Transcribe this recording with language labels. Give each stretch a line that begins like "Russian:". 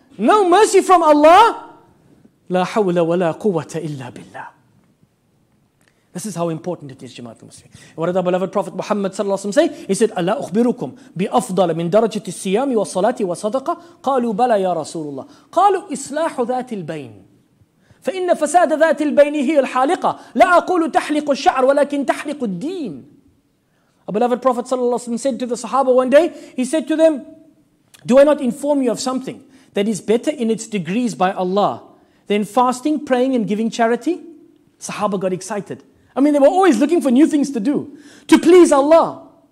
English: No mercy from Allah.
Arabic: لا حول ولا قوة إلا بالله.
English: This is how important it is, Jamaat al-Muslim. What did our beloved Prophet Muhammad sallallahu alaihi wasallam say? He said, "Allah
Arabic: أخبركم بأفضل من درجة الصيام والصلاة والصدقة." قالوا بلى يا رسول الله. قالوا إصلاح ذات البين. فإن فساد ذات البين هي الحالقة. لا أقول تحلق الشعر ولكن تحلق الدين.
English: Our beloved Prophet sallallahu alaihi wasallam said to the Sahaba one day. He said to them, "Do I not inform you of something that is better in its degrees by Allah then fasting, praying, and giving charity?" Sahaba got excited. I mean, they were always looking for new things to do, to please Allah.